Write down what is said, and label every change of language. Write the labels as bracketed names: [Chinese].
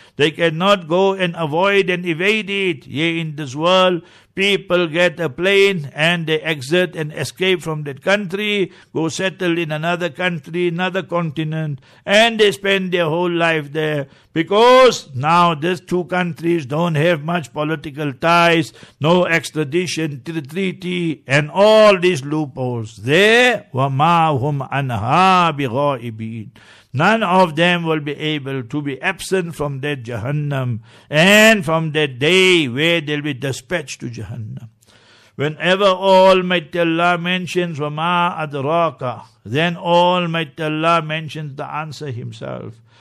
[English] They cannot go and avoid and evade it. Yea, in this world, people get a plane and they exit and escape from that country, go settle in another country, another continent, and they spend their whole life there. Because now these two countries don't have much political ties, no extradition treaty, and all these loopholes. There, [Arabic] وَمَا هُمْ عَنْهَا بِغَائِبِينَ. [English] None of them will be able to be absent from that Jahannam and from that day where they'll be dispatched to Jahannam. Whenever Almighty Allah mentions Wama Adraka, then Almighty Allah mentions the answer himself.